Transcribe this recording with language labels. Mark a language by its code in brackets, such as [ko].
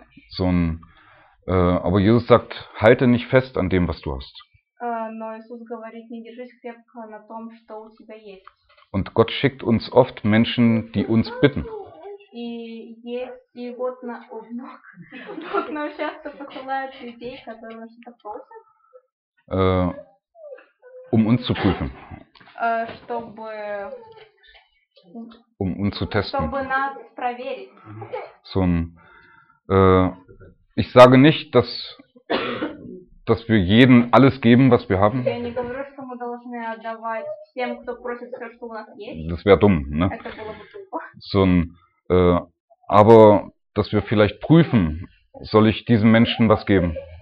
[de] So ein, aber Jesus sagt, halte nicht fest an dem, was du hast. [ru] Но Иисус говорит, не держись крепко на том, что у тебя есть. [de] Und Gott schickt uns oft Menschen, die uns bitten. [ru] И есть, и вот на участок посылают людей, которые что-то просят. Чтобы нас проверить. [de] Ich sage nicht, dass wir jedem alles geben, was wir haben. Das wäre dumm, ne? Aber dass wir vielleicht prüfen, soll ich diesem Menschen was geben?